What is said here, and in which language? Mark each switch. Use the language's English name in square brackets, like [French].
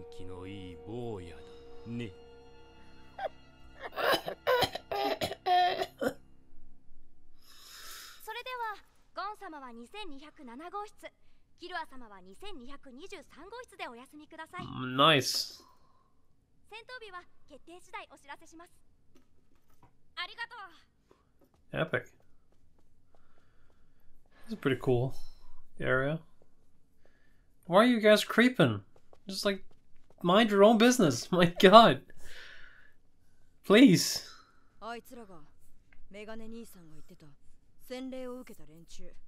[Japanese] それではゴン様は 2207号室 キルア様は 2223号室でお休みください [English] Nice [Japanese] 戦闘日は決定次第お知らせします ありがとう [English] Epic This is pretty cool area Why are you guys creeping? Just like mind your own business My god Please [Japanese] あいつらがメガネ兄さんが言ってた 洗礼を受けた連中